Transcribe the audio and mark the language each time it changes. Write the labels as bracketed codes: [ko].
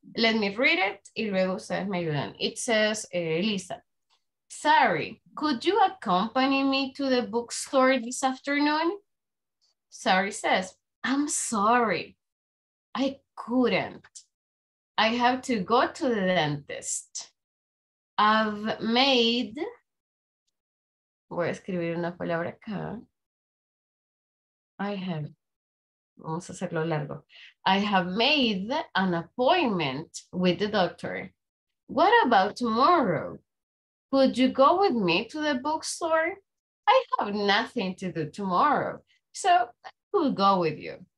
[en] Let me read it, [es] y luego ustedes me ayudan. [en] It says, Lisa, sorry, could you accompany me to the bookstore this afternoon? Sari says, I'm sorry, I couldn't. I have to go to the dentist. I've made, [es] voy a escribir una palabra acá, [en] I have, [es] vamos a hacerlo largo. [en] I have made an appointment with the doctor. What about tomorrow? Could you go with me to the bookstore? I have nothing to do tomorrow, so we'll go with you.